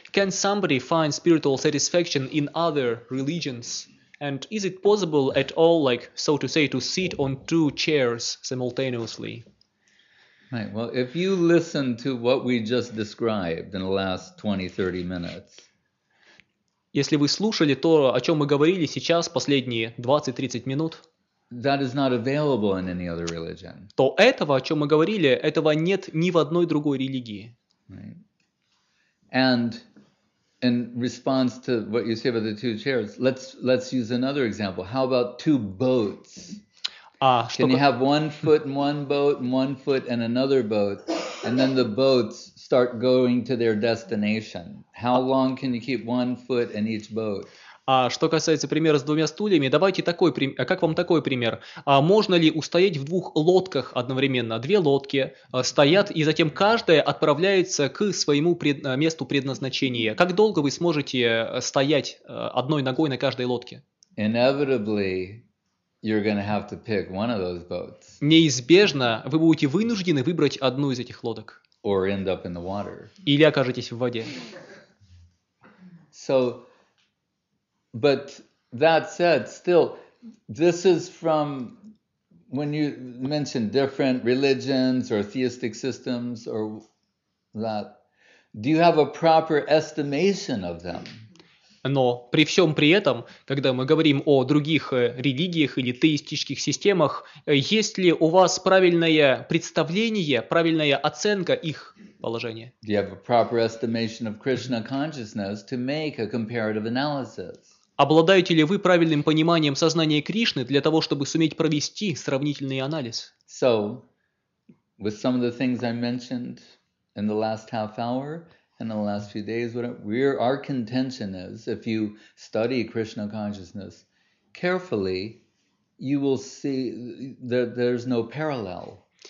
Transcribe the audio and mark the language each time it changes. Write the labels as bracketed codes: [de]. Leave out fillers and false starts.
[en] Can somebody find spiritual satisfaction in other religions? And is it possible at all, like, so to say, to sit on two chairs simultaneously? Right. Well, if you listen to what we just described in the last 20-30 minutes. [ru] Если вы слушали то, о чем мы говорили сейчас последние 20-30 минут. [en] That is not available in any other religion. [ru] То этого, о чем мы говорили, этого нет ни в одной другой религии. [en] Right. And in response to what you say about the two chairs, let's use another example. How about two boats? Can you have one foot in one boat and one foot in another boat, and then the boats start going to their destination? How long can you keep one foot in each boat? [ru] А что касается примера с двумя стульями, давайте такой пример. Как вам такой пример? Можно ли устоять в двух лодках одновременно? Две лодки стоят, и затем каждая отправляется к своему месту предназначения. Как долго вы сможете стоять одной ногой на каждой лодке? [en] Inevitably, you're gonna have to pick one of those boats. [ru] Неизбежно вы будете вынуждены выбрать одну из этих лодок. [en] Or end up in the water. [ru] Или окажетесь в воде. [en] So, but that said, still, this is from when you mentioned different religions or theistic systems or that. Do you have a proper estimation of them? [ru] Но при всем при этом, когда мы говорим о других религиях или теистических системах, есть ли у вас правильное представление, правильная оценка их положения? [en] Do you have a proper estimation of Krishna consciousness to make a comparative analysis? [ru] Обладаете ли вы правильным пониманием сознания Кришны для того, чтобы суметь провести сравнительный анализ? [en] So, with some of the things I mentioned in the last half hour and in the last few days, our contention is, if you study Krishna consciousness carefully, you will see that there's no parallel.